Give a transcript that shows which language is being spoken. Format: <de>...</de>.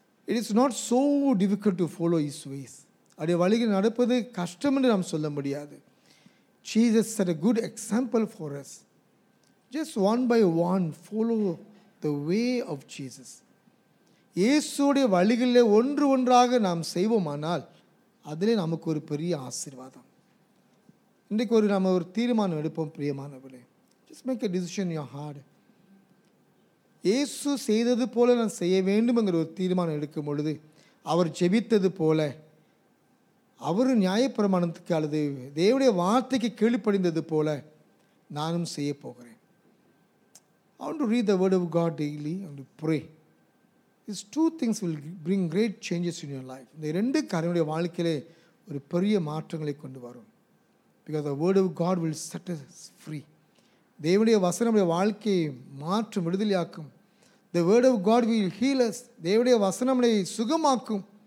<en>It is not so difficult to follow His ways.</en> <ta>அவருடைய வழிகளை நடப்பது கஷ்டம் என்று நாம் சொல்ல முடியாது.</ta> <en>Jesus set a good example for us. Just one by one follow the way of Jesus.</en> <ta>இயேசுடைய வழிகளில் ஒன்று ஒன்றாக நாம் செய்வோமானால் அதிலே நமக்கு ஒரு பெரிய ஆசீர்வாதம். இன்றைக்கு ஒரு நாம் ஒரு தீர்மானம் எடுப்போம் பிரியமானவர்களே.</ta> <en>Just make a decision your heart.</en> <ta>ஏசு செய்தது போல நான் செய்ய வேண்டும்ங்கிற ஒரு தீர்மானம் எடுக்கும் பொழுது, அவர் ஜெபித்தது போல, அவர் நியாயப்பிரமாணத்துக்கு அல்லது தேவனுடைய வார்த்தைக்கு கீழ்ப்படிந்தது போல நானும் செய்ய போகிறேன்.</ta> <en>I want to read the word of God daily and pray. These two things will bring great changes in your life.</en> <ta>இந்த ரெண்டு காரியங்களுடைய வாழ்க்கையிலே ஒரு பெரிய மாற்றங்களை கொண்டு வரும்.</ta> <en>Because the word of God will set us free.</en> <ta>தேவனுடைய வசனமுடைய வாழ்க்கையை மாற்றும், விடுதலையாக்கும்.</ta> <en>The word of God will heal us.</en> <ta>தேவனுடைய வசனமுடைய சுகமாக்கும்.</ta>